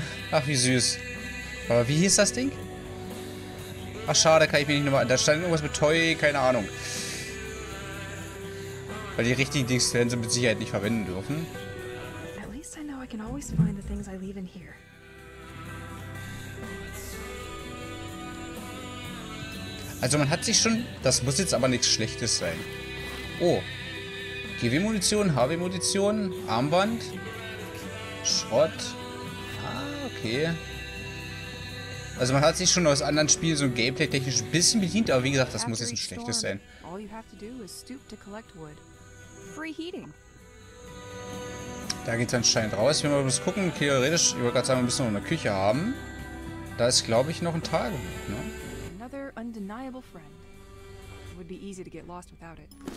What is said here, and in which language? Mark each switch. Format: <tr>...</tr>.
<de>Ach, wie süß. Aber wie hieß das Ding? Ach, schade, kann ich mich nicht nochmal. Da stand irgendwas mit Toy, keine Ahnung. Weil die richtigen Dings werden sie mit Sicherheit nicht verwenden dürfen.</de> <en>I can always find the things I leave in here.</en> <de>Also man hat sich schon... Das muss jetzt aber nichts Schlechtes sein. Oh. GW-Munition, HW-Munition, Armband, Schrott. Ah, okay. Also man hat sich schon aus anderen Spielen so ein Gameplay-technisch ein bisschen bedient, aber wie gesagt, das muss jetzt nichts Schlechtes sein.</de> <en>All you have to do is stoop to collect wood. Free heating.</en> <de>Da geht es anscheinend raus. Wenn wir mal gucken, theoretisch, ich wollte gerade sagen, wir müssen noch eine Küche haben. Da ist, glaube ich, noch ein Tagebuch, ne?</de> <en>Another undeniable friend. It would be easy to get lost without it.</en>